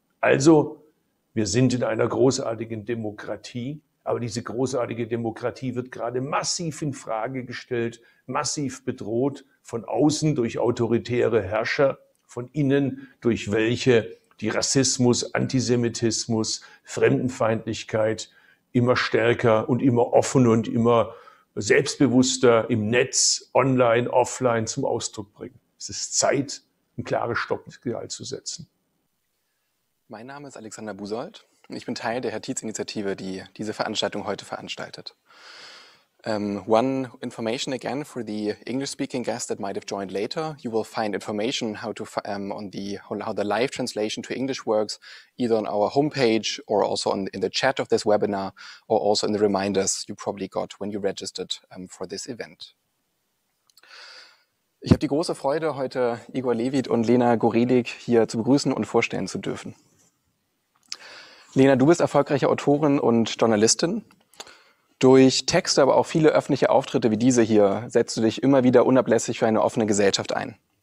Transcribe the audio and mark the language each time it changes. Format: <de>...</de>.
<de>Also, wir sind in einer großartigen Demokratie, aber diese großartige Demokratie wird gerade massiv in Frage gestellt, massiv bedroht von außen durch autoritäre Herrscher, von innen durch welche, die Rassismus, Antisemitismus, Fremdenfeindlichkeit immer stärker und immer offener und immer selbstbewusster im Netz, online, offline zum Ausdruck bringen. Es ist Zeit, ein klares Stoppsignal zu setzen. Mein Name ist Alexander Busold und ich bin Teil der Hertiz-Initiative, die diese Veranstaltung heute veranstaltet.</de> <en>One information again for the English-speaking guests that might have joined later. You will find information how the live translation to English works either on our homepage or also in the chat of this webinar or also in the reminders you probably got when you registered for this event.</en> <de>Ich habe die große Freude, heute Igor Levit und Lena Goredig hier zu begrüßen und vorstellen zu dürfen. Lena, du bist erfolgreiche Autorin und Journalistin. Durch Texte, aber auch viele öffentliche Auftritte wie diese hier, setzt du dich immer wieder unablässig für eine offene Gesellschaft ein.</de>